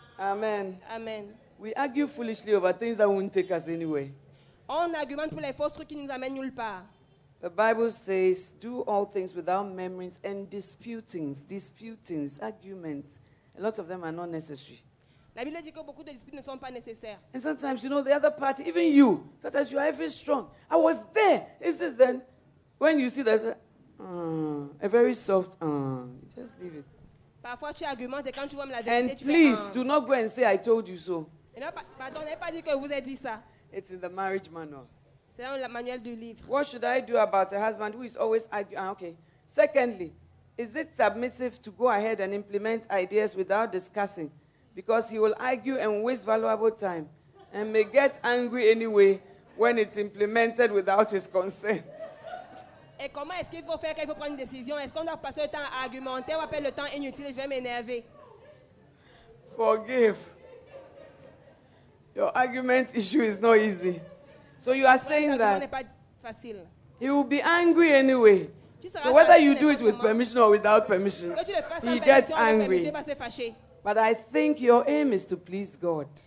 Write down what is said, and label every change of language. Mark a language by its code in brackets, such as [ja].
[en] Amen. Amen. We argue foolishly over things that won't take us anywhere. [fr] On argumente pour les fausses trucs qui nous amènent nulle part. [en] The Bible says, do all things without murmurings and disputings, arguments. A lot of them are not necessary. [fr] La Bible dit que beaucoup de disputes ne sont pas nécessaires. [en] And sometimes, you know, the other party, even you, sometimes you are very strong. I was there. Is this then? When you see there's a very soft, just leave it. [fr] Parfois, tu argumentes et quand tu vois la vérité, [en] and [fr] tu [en] please, [fr] fais, [en] do not go and say, I told you so. [fr] Pardon, n'ai pas dit que vous avez dit ça. [en] It's in the marriage manual. [fr] C'est dans le manuel du livre. [en] What should I do about a husband who is always arguing? Okay. Secondly, is it submissive to go ahead and implement ideas without discussing? Because he will argue and waste valuable time and may get angry anyway when it's implemented without his consent. [fr] Et comment est-ce qu'il faut faire quand il faut prendre une décision? Est-ce qu'on doit passer le temps à argumenter ou appeler le temps inutile? Je vais m'énerver. [en] Forgive. Your argument issue is not easy. So you are saying that he will be angry anyway. So whether you do it with permission or without permission, he gets angry. But I think your aim is to please God.